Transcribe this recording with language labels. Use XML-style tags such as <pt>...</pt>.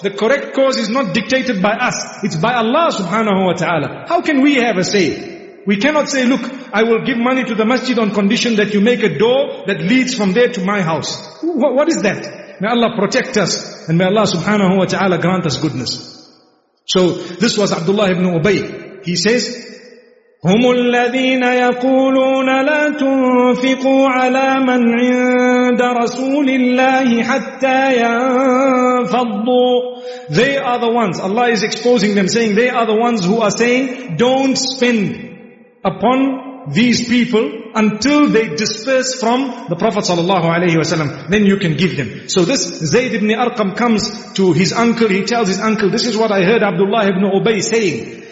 <en>The correct cause is not dictated by us. It's by Allah subhanahu wa ta'ala. How can we have a say? We cannot say, look, I will give money to the masjid on condition that you make a door that leads from there to my house. What is that? May Allah protect us, and may Allah subhanahu wa ta'ala grant us goodness. So this was Abdullah ibn Ubay. He says,</en> <ar>هُمُ الَّذِينَ يَقُولُونَ لَا تُنْفِقُوا عَلَى مَنْ عِنْدَ رَسُولِ اللَّهِ حَتَّى يَنْفَضُّوا.</ar> <en>They are the ones, Allah is exposing them, saying they are the ones who are saying, don't spend upon these people until they disperse from the Prophet sallallahu alaihi wasallam, then you can give them. So this Zayd ibn Arqam comes to his uncle. He tells his uncle, this is what I heard Abdullah ibn Ubay saying.</en>